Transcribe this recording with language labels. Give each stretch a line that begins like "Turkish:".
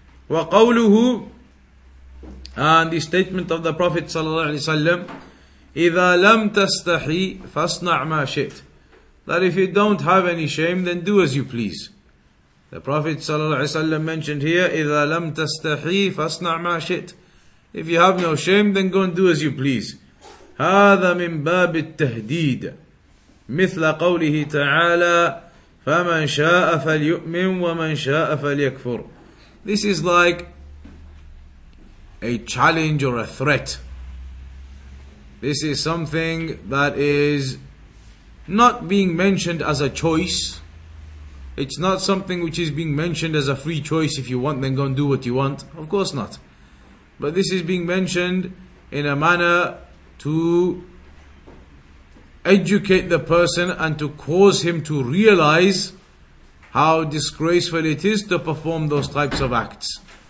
English: وَقَوْلُهُ And the statement of the Prophet ﷺ,
Arabic: إِذَا لَمْ تَسْتَحِي فَاصْنَعْ مَا شِئْتَ
English: That if you don't have any shame, then do as you please. The Prophet ﷺ mentioned here,
Arabic: إِذَا لَمْ تَسْتَحِي فَاصْنَعْ مَا شِئْتَ
English: If you have no shame, then go and do as you please.
Arabic: هَذَا مِنْ بَابِ التَّهْدِيدَ مِثْلَ قَوْلِهِ تَعَالَى فَمَنْ شَاءَ فَلْيُؤْمِنْ وَمَنْ شَاءَ فَلْيَكْفُرْ
English: This is like a challenge or a threat. This is something that is not being mentioned as a choice. It's not something which is being mentioned as a free choice. If you want, then go and do what you want. Of course not. But this is being mentioned in a manner to educate the person and to cause him to realize how disgraceful it is to perform those types of acts.